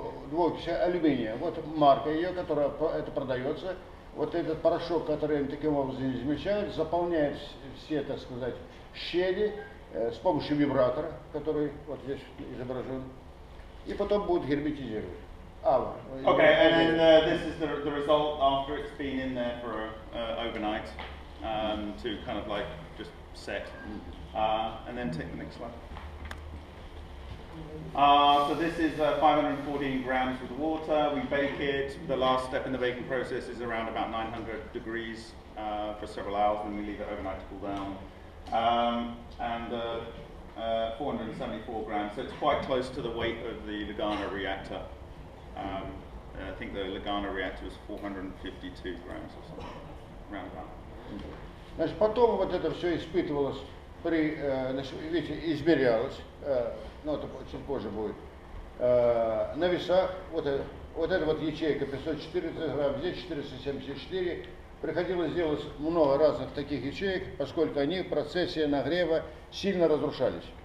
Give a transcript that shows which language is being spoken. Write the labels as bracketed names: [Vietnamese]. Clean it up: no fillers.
[Russian] Двуокись алюминия. Вот марка ее, которая это продается. Вот этот порошок, который они таким образом измельчают, заполняет все, так сказать, щели с помощью вибратора, который вот здесь изображен. И потом будет герметизировать. [English] Okay, and then this is the result after it's been in there for overnight to kind of like just set. And then take the next slide. So this is 514 grams with water. We bake it. The last step in the baking process is around about 900 degrees for several hours, and then we leave it overnight to cool down. 474 grams. So it's quite close to the weight of the Lugano reactor. I think the Lugano reactor was 452 grams or something, round about. [Russian] Значит, потом вот это все испытывалось при, значит, видите, измерялось, ну, это чуть позже будет, на весах, вот эта вот ячейка 514 грамм, здесь 474, приходилось делать много разных таких ячеек, поскольку они в процессе нагрева сильно разрушались.